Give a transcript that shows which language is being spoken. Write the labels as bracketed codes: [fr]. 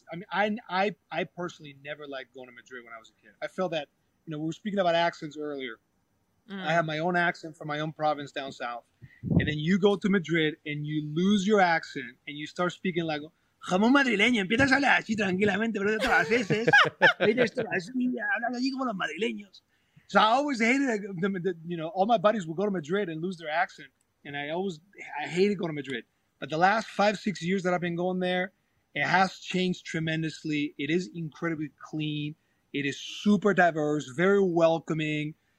[en] I personally never liked going to Madrid when I was a kid. I felt that, you know, we were speaking about accents earlier. Mm. I have my own accent from my own province down south. [es] And then you go to Madrid and you lose your accent and you start speaking like, jamón madrileño, empiezas a hablar así tranquilamente, pero de todas las veces, hablas así como los madrileños. [en] So I always hated, you know, all my buddies would go to Madrid and lose their accent. And I hated going to Madrid. But the last 5-6 years that I've been going there, it has changed tremendously. It is incredibly clean. It is super diverse, very welcoming.